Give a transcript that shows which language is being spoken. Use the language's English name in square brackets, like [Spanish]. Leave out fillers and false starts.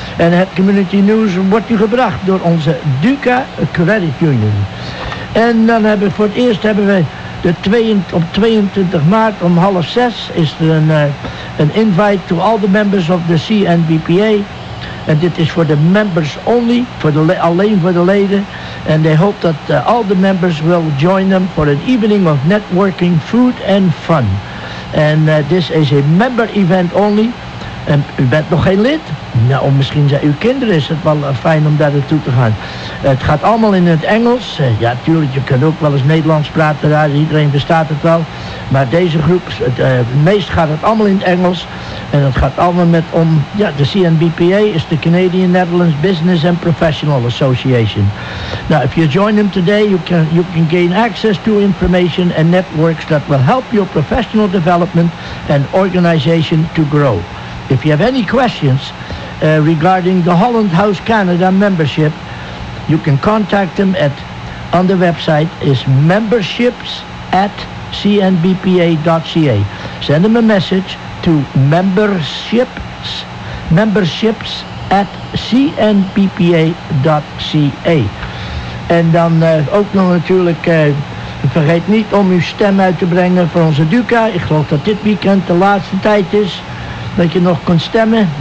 [Dutch] En het Community News wordt u gebracht door onze Duca Credit Union. En dan hebben we op 22 maart om 17:30 is er een [English] invite to all the members of the CNBPA. [Dutch] En dit is voor de [English] members only, [Dutch] alleen voor de leden. [English] And they hope that all the members will join them for an evening of networking, food and fun. And this is a member event only. [Dutch] En u bent nog geen lid? Nou, of misschien zijn uw kinderen, is het wel fijn om daar naartoe te gaan. Het gaat allemaal in het Engels. Ja, tuurlijk, je kunt ook wel eens Nederlands praten daar. Iedereen verstaat het wel. Maar deze groep, het meest gaat het allemaal in het Engels. En het gaat allemaal de CNBPA is de Canadian Netherlands Business and Professional Association. [English] Now, if you join them today, you can gain access to information and networks that will help your professional development and organization to grow. If you have any questions regarding the Holland House Canada membership, you can contact them on the website is memberships@cnbpa.ca. Send them a message to memberships@cnbpa.ca. [Dutch] En dan ook nog natuurlijk Vergeet niet om uw stem uit te brengen voor onze Duca. Ik geloof dat dit weekend de laatste tijd is dat je nog kunt stemmen.